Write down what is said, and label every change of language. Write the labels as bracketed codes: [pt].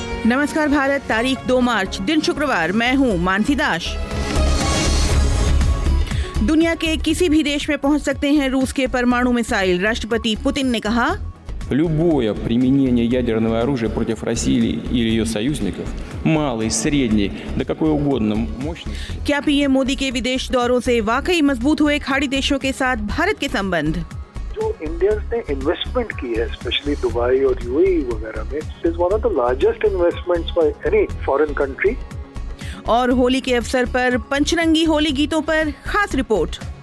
[hi] नमस्कार भारत, तारीख 2 मार्च, दिन शुक्रवार, मैं हूँ मानसी दास। दुनिया के किसी भी देश में पहुंच सकते हैं रूस के परमाणु मिसाइल, राष्ट्रपति पुतिन ने कहा। [ru] Любое применение ядерного оружия против России или ее союзников, малый, средний, да какой угодно мощный. [hi] क्या पीएम मोदी के विदेश दौरों से वाकई मजबूत हुए खाड़ी देशों के साथ भारत के संबंध? जो इंडियंस ने इन्वेस्टमेंट की है स्पेशली दुबई और यूएई वगैरह में, [en] Is one of the largest investments by any foreign country. [hi] और होली के अवसर पर पंचरंगी होली गीतों पर खास रिपोर्ट।